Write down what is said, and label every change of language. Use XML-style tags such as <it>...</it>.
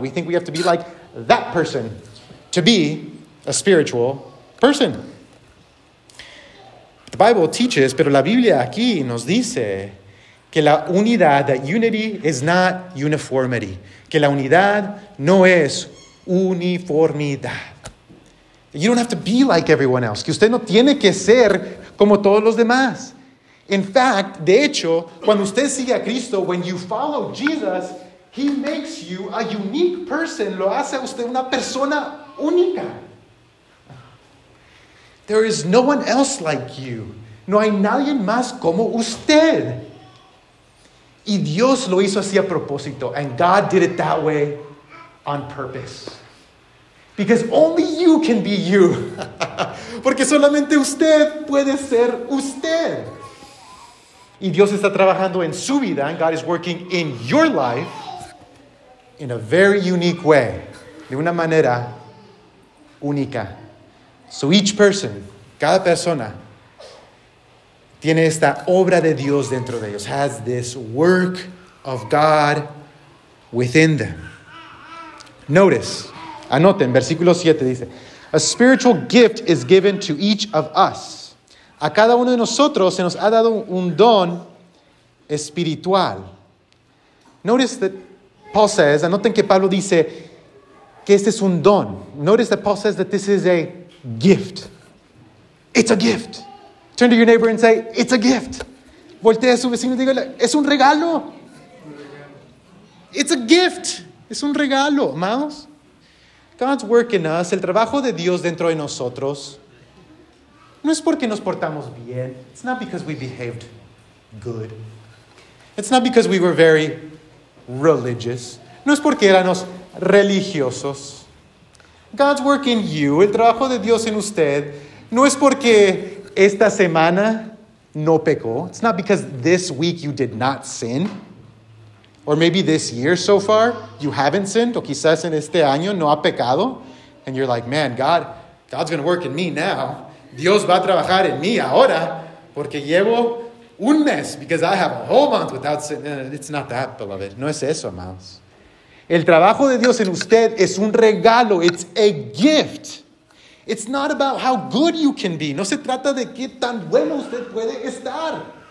<en>We think we have to be like that person to be a spiritual person. The Bible teaches,</en> <es>pero la Biblia aquí nos dice que la unidad,</es> <en>that unity is not uniformity.</en> <es>Que la unidad no es uniformidad.</es> <en>You don't have to be like everyone else.</en> <es>Que usted no tiene que ser como todos los demás.</es> <en>In fact,</en> <es>de hecho, cuando usted sigue a Cristo,</es> <en>when you follow Jesus, he makes you a unique person.</en> <es>Lo hace a usted una persona única.</es> <en>There is no one else like you.</en> <es>No hay nadie más como usted. Y Dios lo hizo así a propósito.</es> <en>And God did it that way on purpose. Because only you can be you.</en> <es>Porque solamente usted puede ser usted. Y Dios está trabajando en su vida.</es> <en>And God is working in your life in a very unique way.</en> <es>De una manera única.</es> <en>So each person,</en> <es>cada persona, tiene esta obra de Dios dentro de ellos.</es> <en>Has this work of God within them. Notice.</en> <es>Anoten, versículo 7 dice,</es> <en>a spiritual gift is given to each of us.</en> <es>A cada uno de nosotros se nos ha dado un don espiritual.</es> <en>Notice that Paul says,</en> <es>anoten que Pablo dice que este es un don.</es> <en>Notice that Paul says that this is a gift. It's a gift. Turn to your neighbor and say, it's a gift.</en> <es>Voltea a su vecino y dígale, es un regalo.</es> <en>It's a gift.</en> <es>Es un regalo, amados.</es> <en>God's work in us,</en> <es>el trabajo de Dios dentro de nosotros, no es porque nos portamos bien.</es> <en>It's not because we behaved good. It's not because we were very religious.</en> <es>No es porque éramos religiosos.</es> <en>God's work in you,</en> <es>el trabajo de Dios en usted, no es porque esta semana no pecó.</es> <en>It's not because this week you did not sin. Or maybe this year so far, you haven't sinned.</en> <es>O quizás en este año no ha pecado.</es> <en>And you're like, man, God's going to work in me now.</en> <es>Dios va a trabajar en mí ahora porque llevo un mes.</es> <en>Because I have a whole month without sin. It's not that, beloved.</en> <es>No es eso, amados. El trabajo de Dios en usted es un regalo.</es> <en>It's a gift. It's not about how good you can be.</en> <es>No se trata de qué tan bueno usted puede estar.</es>